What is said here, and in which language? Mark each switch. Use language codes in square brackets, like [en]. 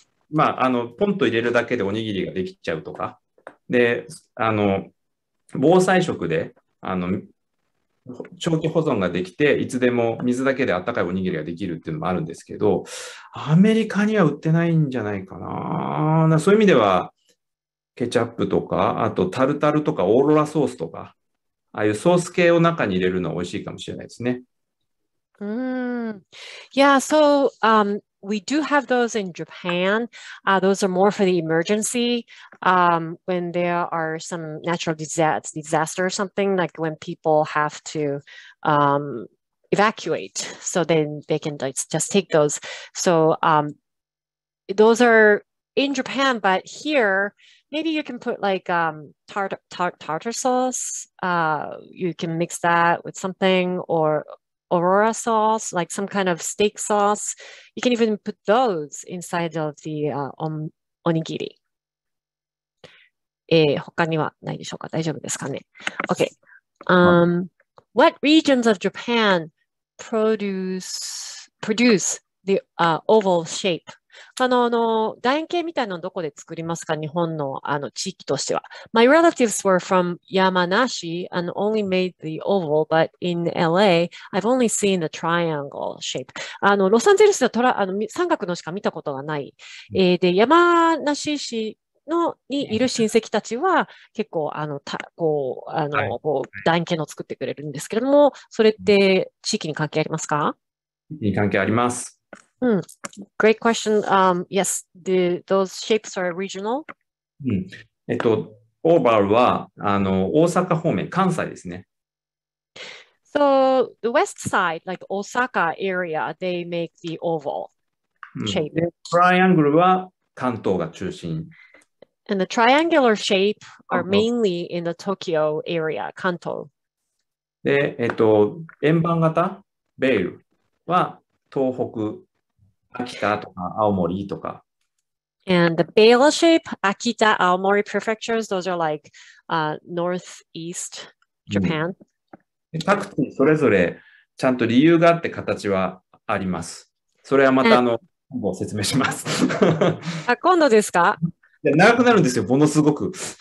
[ja] まあ、ポンと入れるだけでおにぎりができちゃうとか。で、防災食で、長期保存ができて、いつでも水だけで温かいおにぎりができるっていうのもあるんですけど、アメリカには売ってないんじゃないかな。だそういう意味では、ケチャップとか、あとタルタルとかオーロラソースとか、ああいうソース系を中に入れるのは美味しいかもしれないですね。 [en] Yeah, so we do have those in Japan. Those are more for the emergency when there are some natural disaster or something, like when people have to evacuate. So then they can just take those. So those are in Japan, but here, maybe you can put like tartar sauce. You can mix that with something, or Aurora sauce, like some kind of steak sauce. You can even put those inside of the onigiri. [ja] 他にはないでしょうか？大丈夫ですかね？ [en] Okay. What regions of Japan produce the oval shape? [ja] 楕円形みたいなのどこで作りますか？日本の、地域としては。 [en] My relatives were from Yamanashi and only made the oval, but in LA, I've only seen the triangle shape. [ja] ロサンゼルスでは三角のしか見たことがない。で、山梨市のにいる親戚たちは結構、はい、こう楕円形の作ってくれるんですけれども、それって地域に関係ありますか？地域に関係あります。 [en] Great question. Yes, those shapes are regional. [ja] Oval は大阪方面、関西ですね。 [en] So the west side, like Osaka area, they make the oval shape. [ja] で、triangle は関東が中心。 [en] And the triangular shape are mainly in the Tokyo area, 関東。 [ja] で、円盤型、ベールは東北。 Akita とか Aomori とか [en] And the bale shape, Akita, Aomori prefectures, those are like northeast Japan. [ja] 各地それぞれちゃんと理由があって形はあります。それはまた今度説明します。あ、今度ですか？長くなるんですよ、ものすごく。